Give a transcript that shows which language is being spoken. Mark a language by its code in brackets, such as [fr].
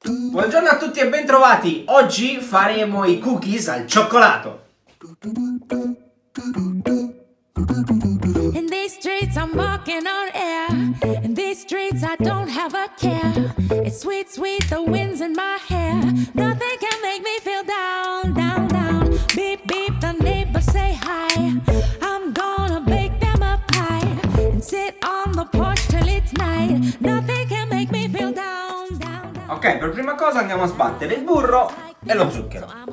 [it] Buongiorno a tutti e bentrovati. Oggi faremo i cookies al cioccolato. [en] In these streets I'm walking on air. In these streets I don't have a care. It's sweet, sweet, the wind's in my hair. Nothing can make me feel down, down, down. Beep, beep, the neighbors say hi. I'm gonna bake them a pie and sit on the porch till it's night. Nothing can make me feel down, down, down. [it] Ok, per prima cosa andiamo a sbattere il burro e lo zucchero.